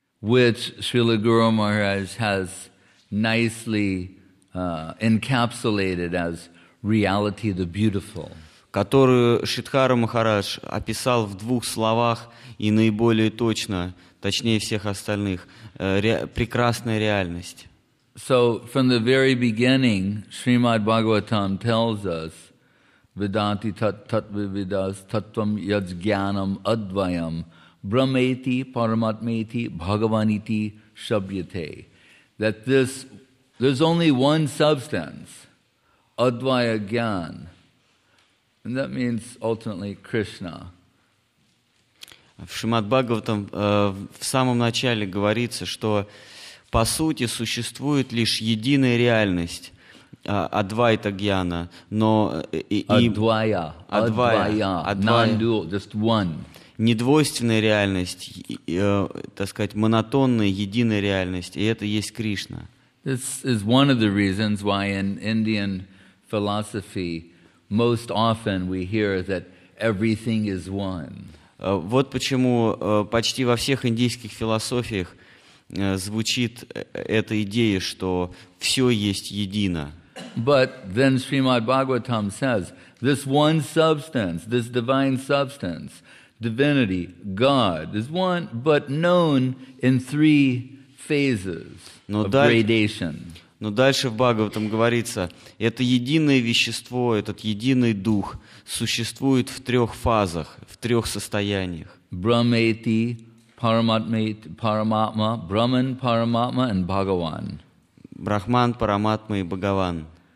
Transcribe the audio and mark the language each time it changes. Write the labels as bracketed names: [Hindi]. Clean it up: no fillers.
[English] which Srila Guru Maharaj has nicely encapsulated as reality, the beautiful. [Russian] Которую Шридхара Махарадж описал в двух словах и наиболее точно, точнее всех остальных, прекрасная реальность. [English] So from the very beginning, Srimad Bhagavatam tells us, [Sanskrit] Vedanti tat tatvividas tattvam yajjnanam advayam brahmeti paramatmeti bhagavaniti shabyate, [English] that there's only one substance, advaya jnan, and that means ultimately Krishna. [Russian] В Шримад Бхагаватам в самом начале говорится, что по сути существует лишь единая реальность. Адвайта гьяна, но не двойственная реальность, так сказать, монотонная единая реальность, и это есть Кришна. [English] This is one of the reasons why in Indian philosophy most often we hear that everything is one. [Russian] Вот почему почти во всех индийских философиях звучит эта идея, что все есть едино. [English] But then Srimad Bhagavatam says, this one substance, this divine substance, divinity, God, is one, but known in three phases of gradation. [Russian] Но дальше в Бхагаватам говорится, это единое вещество, этот единый дух существует в трех фазах, в трех состояниях. [English] Brahmeti, Paramatmeti, Paramatma, Brahman, Paramatma, and Bhagavan. [Russian] Брахман, Параматма и Бхагаван.